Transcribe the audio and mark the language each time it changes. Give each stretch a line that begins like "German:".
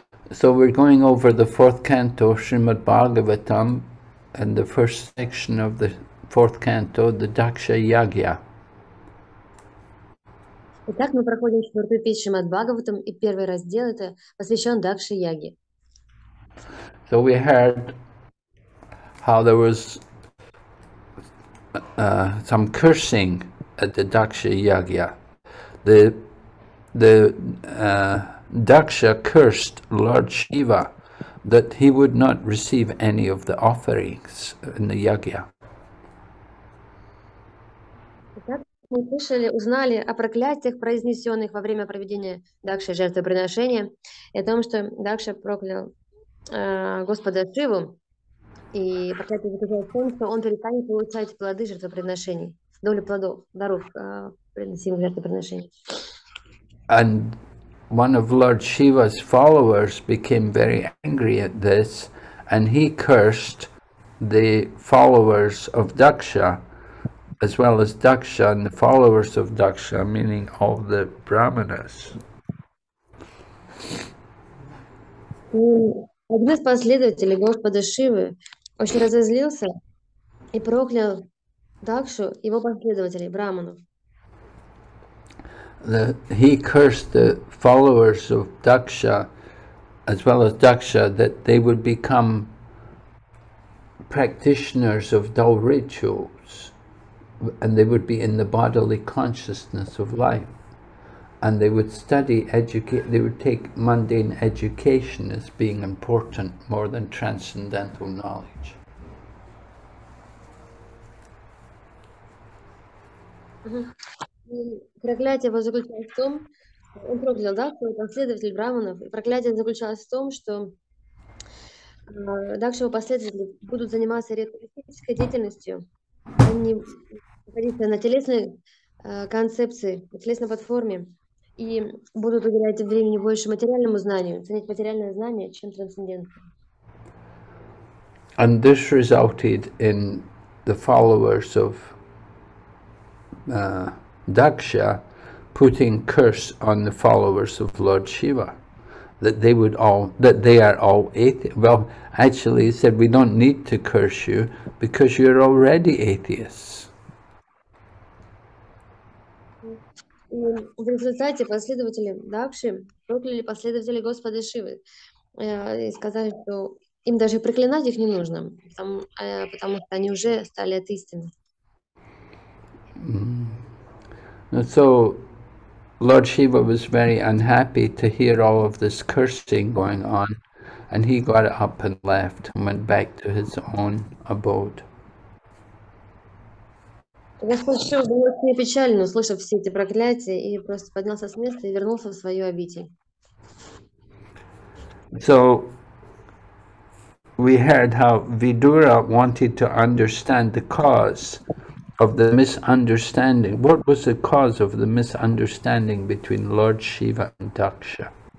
English: So we're going over the fourth canto of Srimad Bhagavatam and the first section of the fourth canto, the Daksha Yagya.
Russian: Итак, мы проходим четвертую песню Шримад Бхагаватам, и первый раздел это посвящен Дакши Яге.
English: So we heard how there was some cursing at the Daksha Yagya. Daksha cursed Lord Shiva that he would not receive any of the offerings in the Yagya.
Russian: Итак, мы слышали, узнали о проклятиях, произнесенных во время проведения Дакши жертвоприношения, и о том, что Дакша проклял Господа Шиву, и проклятие заключалось в том, что он перестанет получать плоды жертвоприношений, долю плодов, даров, приносимых жертвоприношений.
English: And one of Lord Shiva's followers became very angry at this, and he cursed the followers of Daksha, as well as Daksha and the followers of Daksha, meaning all the brahmanas.
Russian: Один из последователей Господа Шивы очень разозлился и проклял Дакшу и его последователей, брахманов.
English: He cursed the followers of Daksha, as well as Daksha, that they would become practitioners of dull rituals, and they would be in the bodily consciousness of life, and they would study, educate, they would take mundane education as being important more than transcendental knowledge.
Russian: Проклятие его заключалось в том, он проклял, да, свой последователь браманов, и проклятие заключалось в том, что дальше его последователи будут заниматься ритуалистической деятельностью, они находятся на телесной концепции, на телесной платформе, и будут уделять времени больше материальному знанию, ценить материальное знание, чем трансцендентное.
English: And this resulted in the followers of Daksha putting curse on the followers of Lord Shiva, that they would all, that they are all atheists. Well, actually he said, we don't need to curse you because you're already atheists.
Russian: В результате последователи Дакши прокляли последователи Господа Шивы и сказали, что им даже проклинать их не нужно, потому что они уже стали атеистами.
English: And so Lord Shiva was very unhappy to hear all of this cursing going on, And he got up and left and went back to his own abode.
Russian: Господь был очень печален, услышав все эти проклятия, и просто поднялся с места и вернулся в свою обитель.
English: So we heard how Vidura wanted to understand the cause of the misunderstanding. What was the cause of the misunderstanding between Lord Shiva and Daksha?